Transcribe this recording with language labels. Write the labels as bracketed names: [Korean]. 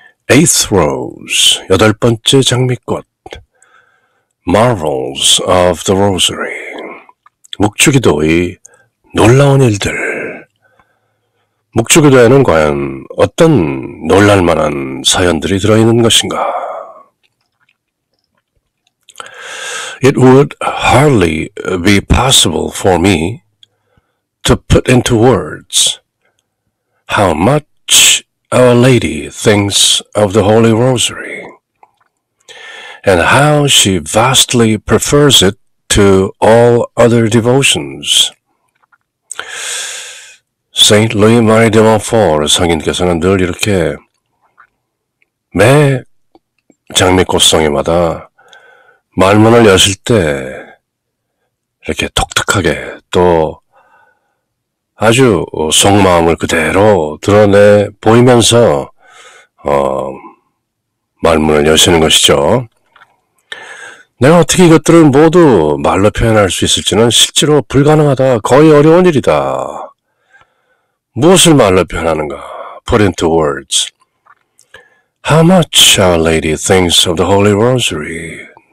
[English] Eighth Rose, [Korean] 여덟 번째 장미꽃. [English] Marvels of the Rosary, [Korean] 묵주기도의 놀라운 일들. 묵주기도에는 과연 어떤 놀랄만한 사연들이 들어있는 것인가? [English] It would hardly be possible for me to put into words how much Our Lady thinks of the Holy Rosary and how she vastly prefers it to all other devotions. [Korean] Saint Louis Marie de Montfort 성인께서는 늘 이렇게 매 장미꽃송이마다 말문을 여실 때 이렇게 독특하게 또 아주 속마음을 그대로 드러내 보이면서 말문을 여시는 것이죠. 내가 어떻게 이것들을 모두 말로 표현할 수 있을지는 실제로 불가능하다. 거의 어려운 일이다. 무엇을 말로 표현하는가? [English] Put into words. How much Our Lady thinks of the Holy Rosary?